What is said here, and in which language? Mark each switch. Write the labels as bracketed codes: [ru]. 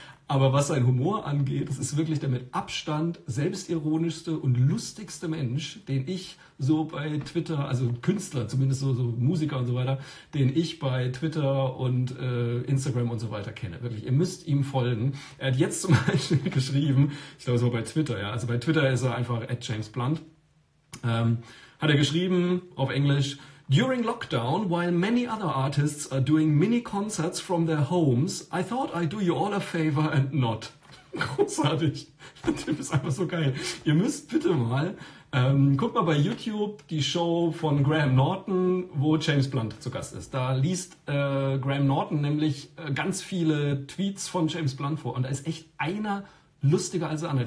[de] Aber was sein Humor angeht, das ist wirklich der mit Abstand selbstironischste und lustigste Mensch, den ich so bei Twitter, also Künstler, zumindest so Musiker und so weiter, den ich bei Twitter und Instagram und so weiter kenne. Wirklich, ihr müsst ihm folgen. Er hat jetzt zum Beispiel geschrieben, ich glaube, es war bei Twitter, ja. Also bei Twitter ist er einfach @JamesBlunt. Hat er geschrieben auf Englisch, [en] during lockdown, while many other artists are doing mini-concerts from their homes, I thought I'd do you all a favor and not. [de] Großartig. Der Typ ist einfach so geil. Ihr müsst bitte mal, guckt mal bei YouTube die Show von Graham Norton, wo James Blunt zu Gast ist. Da liest Graham Norton nämlich ganz viele Tweets von James Blunt vor. Und da ist echt einer lustiger als der andere.